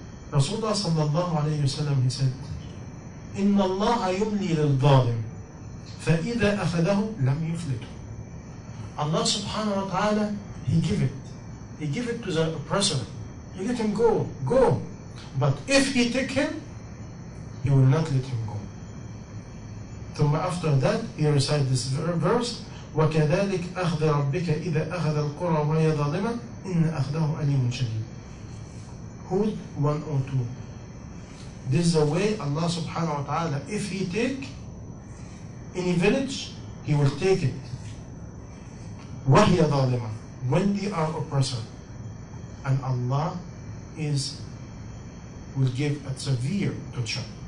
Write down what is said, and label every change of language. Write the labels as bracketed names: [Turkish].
[Arabic] Rasulullah sallallahu alayhi wa sallam, [English] he said, [Arabic] إِنَّ اللَّهَ يُبْلِي لِلْظَالِمِ فَإِذَا أَخَذَهُ لَمْ يُفْلِتُ. [English] Allah subhanahu wa ta'ala, He give it to the oppressor. He let him go. But if he take him, he will not let him go. [Arabic] ثم [English] after that, he recited this verse, [Arabic] وكذلك أخذ ربك إذا أخذ القرى وهي ظالمة إن أخذه أليم شديد. [English] Hud 102. This is the way Allah subhanahu wa ta'ala, if he take any village, he will take it. [Arabic] وهي ظالمة, [English] when they are oppressor. And Allah will give a severe torture.